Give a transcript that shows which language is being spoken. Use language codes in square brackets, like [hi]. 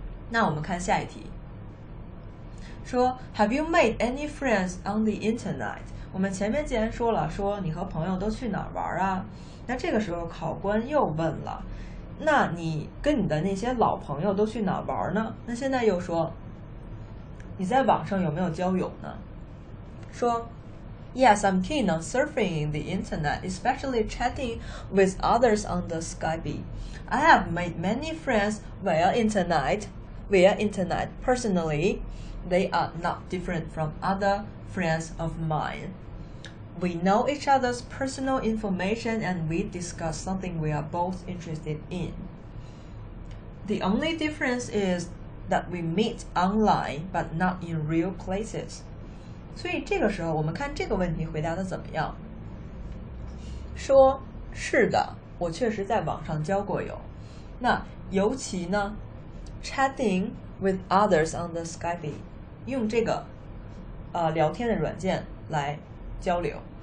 [zh] 那我们看下一题，说 [en] Have you made any friends on the internet? [zh] 我们前面既然说了，说你和朋友都去哪儿玩啊，那这个时候考官又问了，那你跟你的那些老朋友都去哪儿玩呢？那现在又说，你在网上有没有交友呢？ [en] 说 Yes, I'm keen on surfing in the internet, especially chatting with others on the Skype. I have made many friends via internet personally. They are not different from other friends of mine. We know each other's personal information and we discuss something we are both interested in. The only difference is that we meet online but not in real places. [zh] 所以这个时候我们看这个问题回答的怎么样。说是的，我确实在网上交过友。那尤其呢 [en] chatting with others on the Skype, [zh] 用这个聊天的软件来交流。